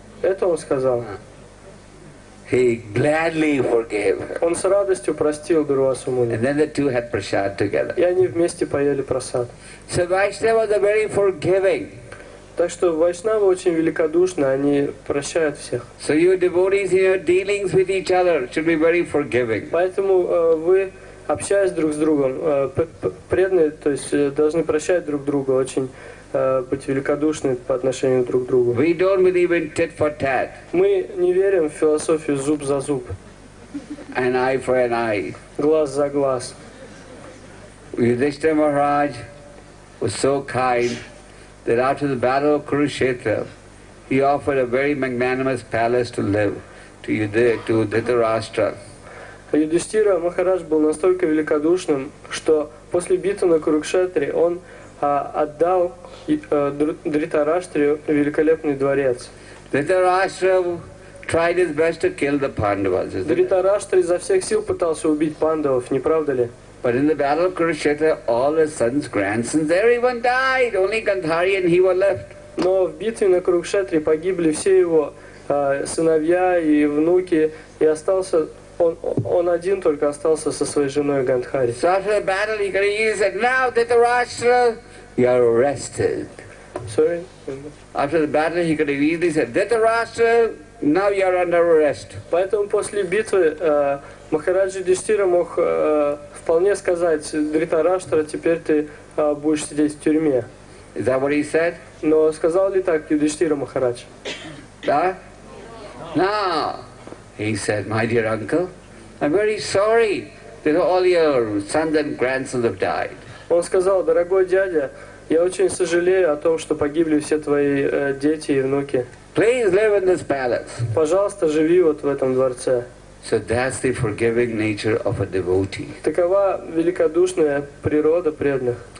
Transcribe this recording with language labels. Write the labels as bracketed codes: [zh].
[ru] Это он сказал. [en] He gladly forgave. [ru] Он с радостью простил Дурвасу Муни. [en] And then the two had prasad together. [ru] И они вместе поели прасад. [en] So Vaishnava was very forgiving. [ru] Так что вайшнавы очень великодушны, они прощают всех. [en] So you devotees in your dealings with each other should be very forgiving. [ru] Поэтому вы, общаясь друг с другом, преданные, то есть должны прощать друг друга, очень быть великодушны по отношению друг к другу. [en] We don't believe in tit for tat. [ru] Мы не верим в философию зуб за зуб. [en] An eye for an eye. [ru] Глаз за глаз. [en] Yudhishthira Maharaj was so kind that after the battle of Kurukshetra, he offered a very magnanimous palace to live to Dhritarashtra. [ru] Yudhishthira Maharaj был настолько великодушным, что после битвы на Курукшетре он отдал Дритараштре великолепный дворец. [en] Dhritarashtra tried his best to kill the Pandavas. [ru] Дритараштра изо всех сил пытался убить пандавов, не правда ли? [en] But in the battle of Kurukshetra, all his sons, grandsons, everyone died. Only Gandhari and he were left. [ru] Но в битве на Курукшетре погибли все его сыновья и внуки, и остался он один только остался со своей женой Гандхари. [en] So after the battle, he could have said, "Now, Dhritarashtra, you are arrested." Sorry. After the battle, he could have easily said, "Dhritarashtra, now you are under arrest." [ru] Поэтому после битвы Махараджа Юдхиштхира мог вполне сказать, Дхритарашта, теперь ты будешь сидеть в тюрьме. [en] Is that what he said? [ru] Но сказал ли так Юдхиштхира Махарадж? Да? [en] No. He said, "My dear uncle, I'm very sorry that all your sons and grandsons have died." [ru] Он сказал, дорогой дядя, я очень сожалею о том, что погибли все твои дети и внуки. [en] Please live in this palace. [ru] Пожалуйста, живи вот в этом дворце. [en] So that's the forgiving nature of a devotee. [ru] Такова великодушная природа преданных.